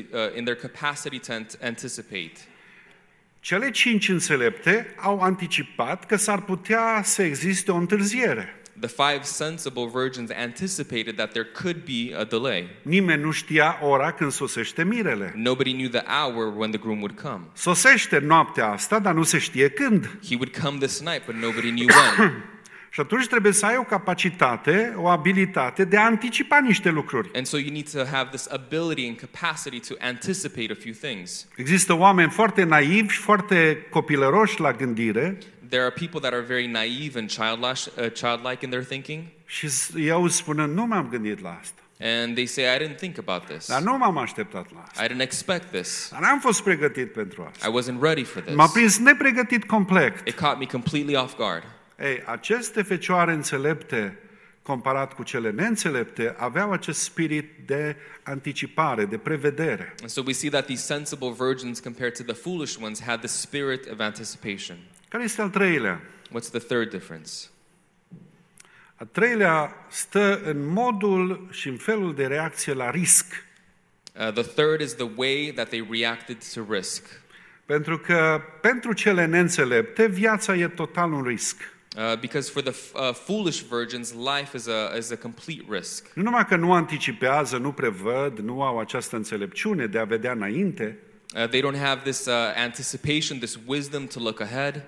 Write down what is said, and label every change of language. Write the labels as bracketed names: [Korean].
[English] The difference was in their capacity to anticipate. [Romanian] Cele 5 înțelepte au anticipat că s-ar putea să existe o întârziere. [English] The 5 sensible virgins anticipated that there could be a delay. [Romanian] Nimeni nu știa ora când sosește mirele. [English] Nobody knew the hour when the groom would come. [Romanian] Sosește noaptea asta, dar nu se știe când. [English] He would come this night, but nobody knew when. [Romanian] Și atunci trebuie să ai o capacitate, o abilitate de a anticipa niște lucruri. [English] And so you need to have this ability and capacity to anticipate a few things. [Romanian] Există oameni foarte naivi și foarte copilăroși la gândire. [English] There are people that are very naive and childlike in their thinking. [Romanian] Și eu spun, nu m-am gândit la asta. [English] And they say, I didn't think about this. [Romanian] Dar nu m-am așteptat la asta. [English] I didn't expect this. [Romanian] Dar n-am fost pregătit pentru asta. [English] I wasn't ready for this. [Romanian] M-a prins nepregătit complet. [English] It caught me completely off guard. [Romanian] Ei, aceste fecioare înțelepte, comparat cu cele neînțelepte, aveau acest spirit de anticipare, de prevedere. [English] And so we see that these sensible virgins, compared to the foolish ones, had the spirit of anticipation. [Romanian] Care este al treilea? [English] What's the third difference? [Romanian] Al treilea stă în modul și în felul de reacție la risc. [English] The third is the way that they reacted to risk. [Romanian] Pentru că pentru cele neînțelepte, viața e total un risc. [English] Because for the foolish virgins, life is a complete risk. [Romanian] Nu numai că nu anticipează, nu prevăd, nu au această înțelepciune de a vedea înainte. [English] They don't have this anticipation, this wisdom to look ahead.